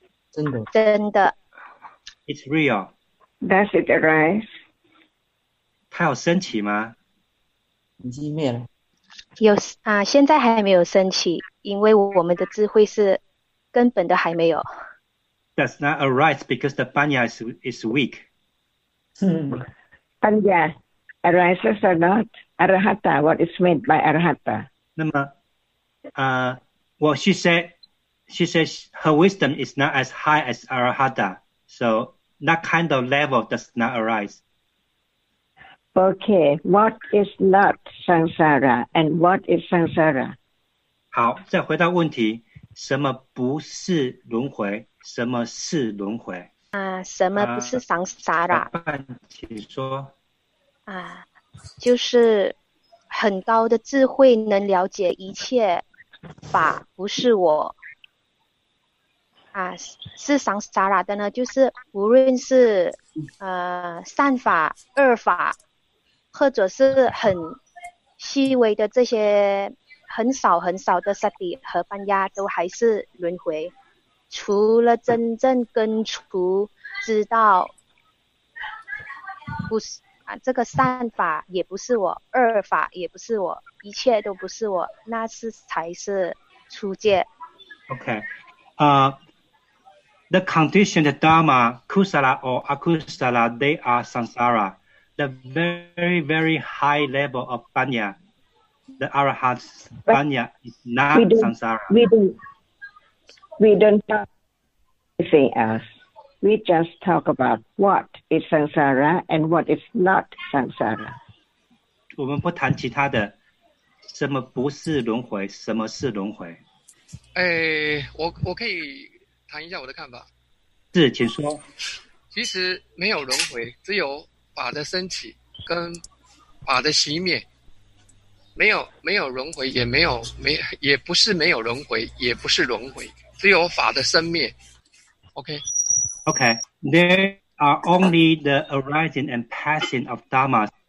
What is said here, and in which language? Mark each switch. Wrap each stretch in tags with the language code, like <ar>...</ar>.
<zh>真的，真的。</zh> <en>It's real. Does it arise?</en> <zh>它有升起吗？已经灭了。有啊，现在还没有升起，因为我们的智慧是根本的还没有。</zh> <en>Does not arise because the banya is weak. Banya arises or not? Arahata, what is meant by arahata? 那么，well, she says her wisdom is not as high as arahata, so that kind of level does not arise. Okay, what is not samsara and what is samsara?</en> <zh>好，再回到问题，什么不是轮回？什么是轮回？什么不是桑沙拉？请说。就是很高的智慧能了解一切法，不是我。是桑沙拉的呢，就是无论是善法、恶法，或者是很细微的这些很少很少的萨底和班亚，都还是轮回。除了真正根除知道不是这个善法也不是我，恶法也不是我，一切都不是我，那是才是初戒。</zh> <en>OK, the conditioned dharma kusala or akusala, they are samsara. The very very high level of banya, the arahat's banya is not samsara. We don't talk anything else. We just talk about what is samsara and what is not samsara.</en> <zh>我们不谈其他的，什么不是轮回，什么是轮回。我可以谈一下我的看法。是，请说。其实没有轮回，只有法的升起跟法的熄灭。没有轮回，也没有没也不是没有轮回，也不是轮回。只有法的生灭。Okay.</zh> <en>There are only the arising and passing of dharmas.</en>